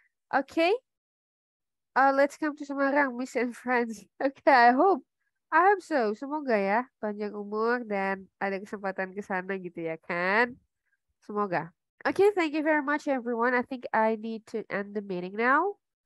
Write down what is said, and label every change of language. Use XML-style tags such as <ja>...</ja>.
<en>Okay, let's come to Semarang, Miss and friends. Okay, I hope so.</en> <id>Semoga ya panjang umur dan ada kesempatan ke sana gitu ya kan. Semoga.</id> <en>Okay, thank you very much everyone. I think I need to end the meeting now.</en>